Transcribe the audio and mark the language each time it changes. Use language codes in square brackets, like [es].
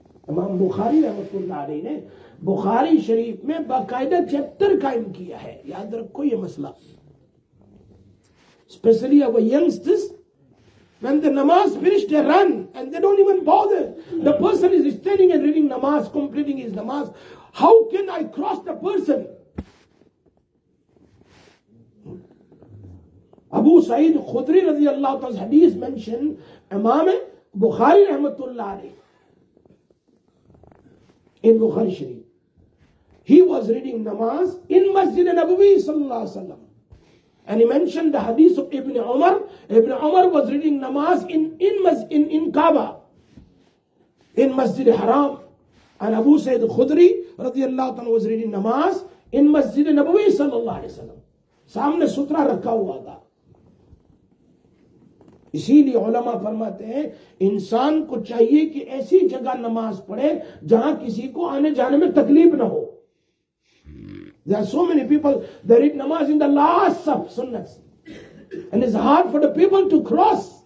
[hi] इमाम बुखारी रहमतुल्लाह अलैह ने बुखारी शरीफ में बाकायदा चैप्टर कायम किया है, याद रखो ये मसला, [en] Specially our youngsters, when the नमाज finish they run and they don't even bother, the person is standing and reading नमाज, completing his नमाज, how can I cross the person. अबू सईद खुदरी रजी अल्लाह तआला हदीस मेंशन, इमाम बुखारी रहमतुल्लाह अलैह in Bukhari Sharif, he was reading namaz in Masjid Nabawi sallallahu alaihi wasallam, and he mentioned the hadith of Ibn Umar. Ibn Umar was reading namaz in Kaaba, in Masjid Haram, and Abu Sayyid Khudri radiyallahu anhu was reading namaz in Masjid Nabawi sallallahu alaihi wasallam. [hi] Samne sutra rakha hua tha. इसीलिए उलमा फरमाते हैं इंसान को चाहिए कि ऐसी जगह नमाज पढ़े जहां किसी को आने जाने में तकलीफ ना हो। [en] there are so many people they read नमाज in the last सब सुन्नत and is hard for the people to cross,